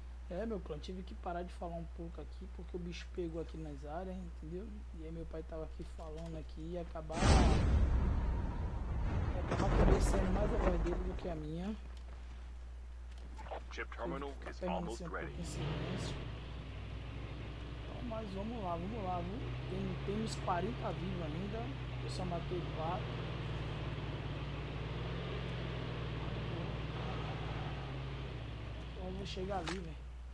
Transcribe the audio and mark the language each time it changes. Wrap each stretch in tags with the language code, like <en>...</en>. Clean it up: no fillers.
<pt>É, meu clã, tive que parar de falar um pouco aqui, porque o bicho pegou aqui nas áreas, entendeu? E aí meu pai tava aqui falando aqui e ia acabar conhecendo mais a voz dele do que a minha.</pt> <en>Chip terminal is almost ready.</en> <pt>Então, mas vamos lá, viu? Temos 40 vivos ainda, eu só matei 4. Então vamos chegar ali, velho.</pt>